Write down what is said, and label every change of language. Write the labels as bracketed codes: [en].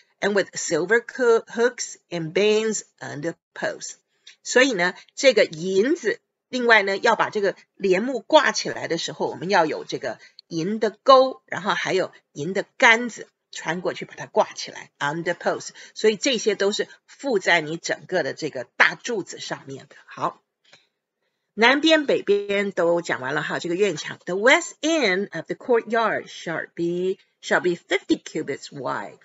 [en] And with silver hooks and beams on the post. [zh] 所以呢，这个银子，另外呢，要把这个帘幕挂起来的时候，我们要有这个银的钩，然后还有银的杆子穿过去把它挂起来 [en] on the post. [zh] 所以这些都是附在你整个的这个大柱子上面的。好，南边北边都讲完了哈，这个院墙。 [en] The west end of the courtyard shall be 50 cubits wide.